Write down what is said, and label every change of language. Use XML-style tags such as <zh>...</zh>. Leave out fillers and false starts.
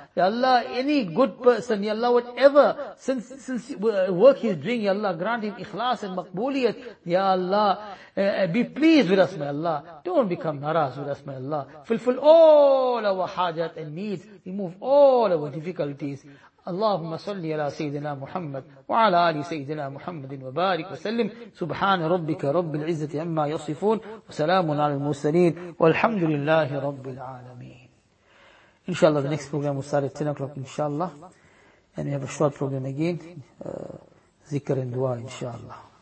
<en>Ya Allah, any good person, ya Allah, whatever, since work he's doing, ya Allah, grant him ikhlas and maqbooliyat, ya Allah. Be pleased with us, may Allah. Don't become naraz with us, may Allah. Fulfill all our hajat and needs. Remove all our difficulties.</en> <ar>اللهم صل على سيدنا محمد وعلى آل سيدنا محمد وبارك وسلم سبحان ربك رب العزة عما يصفون وسلام على المرسلين والحمد لله رب العالمين. إن شاء الله</ar> <en>the next program will start at 10 o'clock إن شاء الله, and we have a short program again, ذكر and دعاء إن شاء الله.</en>